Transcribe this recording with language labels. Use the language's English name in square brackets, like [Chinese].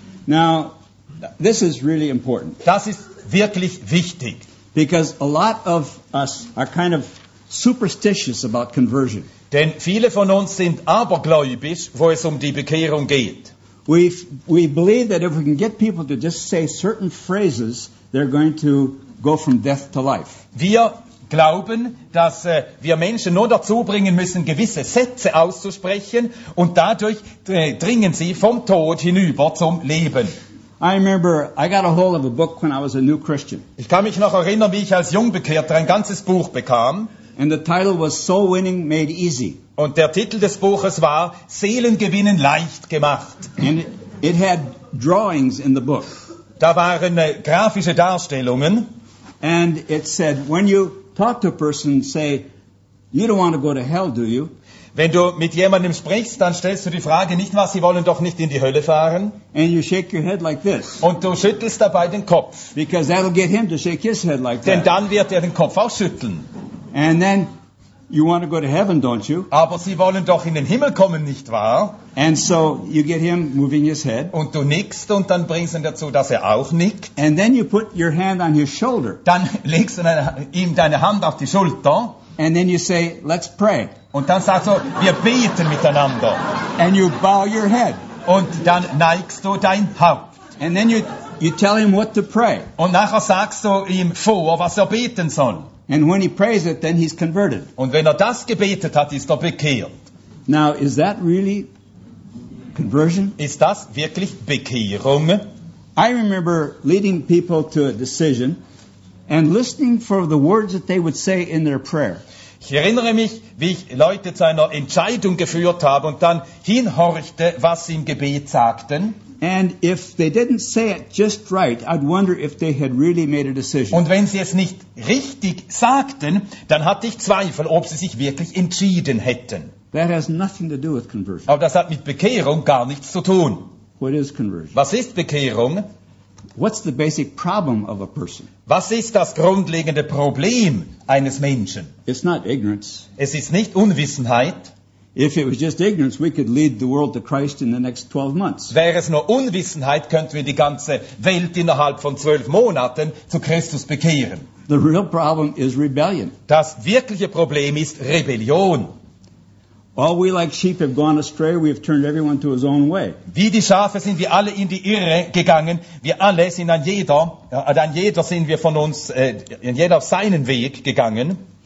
[English] Now, this is really important. [German] Das ist wirklich wichtig. [English] Because a lot of us are kind of superstitious about conversion. [German] Denn viele von uns sind abergläubisch, wo es die Bekehrung geht. [English] We believe that if we can get people to just say certain phrases, they're going to go from death to life. [German] Wir glauben, dass wir Menschen nur dazu bringen müssen, gewisse Sätze auszusprechen, und dadurch dringen sie vom Tod hinüber zum Leben. [English] I remember I got a hold of a book when I was a new Christian. [German] Ich kann mich noch erinnern, wie ich als Jungbekehrter ein ganzes Buch bekam. [English] And the title was Soul Winning Made Easy. [German] Und der Titel des Buches war Seelengewinnen leicht gemacht. [English] And it had drawings in the book. [German] Da waren grafische Darstellungen. [English] And it said, when you talk to a person, say, "You don't want to go to hell, do you?" [German] Wenn du mit jemandem sprichst, dann stellst du die Frage nicht mal, sie wollen doch nicht in die Hölle fahren. [English] And you shake your head like this. [German] Und du schüttelst dabei den Kopf. [English] Because that'll get him to shake his head like that. [German] Denn dann wird den Kopf auch schütteln. [English] And then you want to go to heaven, don't you? [German] Aber sie wollen doch in den Himmel kommen, nicht wahr? [English] And so you get him moving his head. [German] Und du nickst, und dann bringst du ihn dazu, dass auch nickt. [English] And then you put your hand on his shoulder. [German] Dann legst du ihm deine Hand auf die Schulter. [English] And then you say, "Let's pray." [German] Und dann sagst du, wir beten miteinander. [English] And you bow your head. [German] Und dann neigst du dein Haupt. [English] And then you tell him what to pray. [German] Und nachher sagst du ihm vor, was beten soll. [English] And when he prays it, then he's converted. [German] Und wenn das gebetet hat, ist bekehrt. [English] Now, is that really conversion? [German] Ist das wirklich Bekehrung? [English] I remember leading people to a decision and listening for the words that they would say in their prayer. [German] Ich erinnere mich, wie ich Leute zu einer Entscheidung geführt habe und dann hinhorchte, was sie im Gebet sagten. [English] And if they didn't say it just right, I'd wonder if they had really made a decision. [German] Und wenn sie es nicht richtig sagten, dann hatte ich Zweifel, ob sie sich wirklich entschieden hätten. [English] That has nothing to do with conversion. [German] Aber das hat mit Bekehrung gar nichts zu tun. [English] What is conversion? [German] Was ist Bekehrung? [English] What's the basic problem of a person? [German] Was ist das grundlegende Problem eines Menschen? [English] It's not ignorance. [German] Es ist nicht Unwissenheit. [English] If it was just ignorance, we could lead the world to Christ in the next 12 months. [German] Wäre es nur Unwissenheit, könnten wir die ganze Welt innerhalb von 12 Monaten zu Christus bekehren. [English] The real problem is rebellion. [German] Das wirkliche Problem ist Rebellion. [English] All we like sheep have gone astray, we have turned everyone to his own way. [German] Wie die Schafe sind wir alle in die Irre gegangen, wir alle sind an jeder sind wir von uns in jeder auf seinen Weg gegangen.